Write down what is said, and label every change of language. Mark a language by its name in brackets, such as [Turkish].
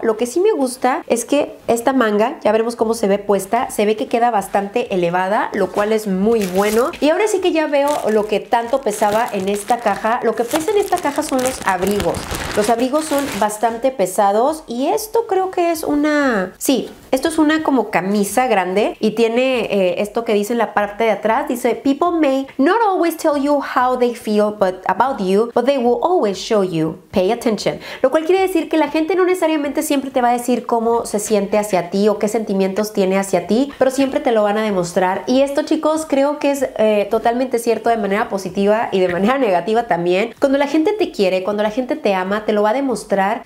[Spanish] Lo que sí me gusta es que esta manga, ya veremos cómo se ve puesta, se ve que queda bastante elevada, lo cual es muy bueno. Y ahora sí que ya veo lo que tanto pesaba en esta caja. Lo que pesa en esta caja son los abrigos. Los abrigos son bastante pesados y esto creo que es una... Sí, esto es una como camisa grande y tiene esto que dice en la parte de atrás. [English] Dice, people may not always tell you how they feel about you, but they will always show you. Pay attention. [Spanish] Lo cual quiere decir que la gente no necesariamente siempre te va a decir cómo se siente hacia ti o qué sentimientos tiene hacia ti, pero siempre te lo van a demostrar. Y esto, chicos, creo que es totalmente cierto de manera positiva y de manera negativa también. Cuando la gente te quiere, cuando la gente te ama, te lo va a demostrar.